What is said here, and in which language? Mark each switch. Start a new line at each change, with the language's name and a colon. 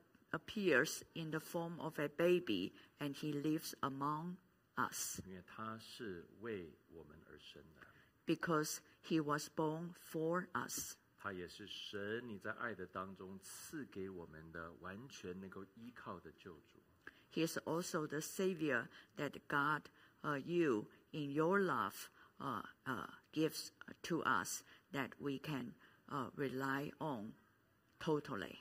English: appears in the form of a baby, and he lives among us.
Chinese: 因为他是为我们而生的。
English: Because he was born for us.
Chinese: 他也是神你在爱的当中赐给我们的完全能够依靠的救主。
English: He is also the Savior that God, you in your love, gives to us that we can, rely on totally.